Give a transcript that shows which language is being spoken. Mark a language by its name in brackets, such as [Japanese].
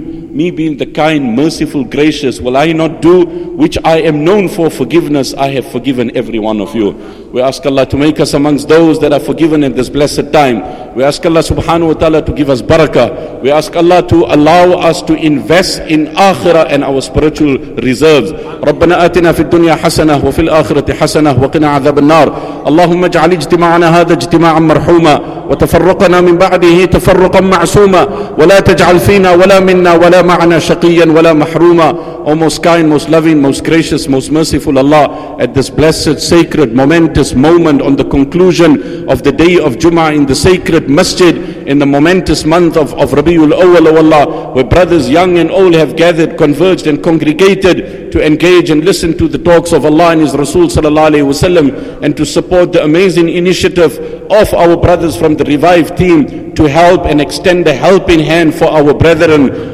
[English] Me being the kind, merciful, gracious, will I not do which I am known for forgiveness? I have forgiven every one of you. We ask Allah to make us amongst those that are forgiven in this blessed time. We ask Allah subhanahu wa ta'ala to give us barakah. We ask Allah to allow us to invest in akhirah and our spiritual reserves. [Arabic] ربنا آتنا في الدنيا حسنة وفي الآخرة حسنة وقنا عذاب النار. اللهم اجعل اجتماعنا هذا اجتماعا مرحوما وتفرقنا من بعده تفرقا معصوما ولا تجعل فينا ولا منا ولا معنا شقيا ولا محروما. [English] O most kind, most loving, most gracious, most merciful Allah, at this blessed, sacred, momentous moment on the conclusion of the day of Jummah in the sacred masjid, in the momentous month of Rabiul Awwal, O Allah, where brothers young and old have gathered, converged and congregated to engage and listen to the talks of Allah and His Rasul Sallallahu Alaihi Wasallam, and to support the amazing initiative of our brothers from the Revive team to help and extend a helping hand for our brethren.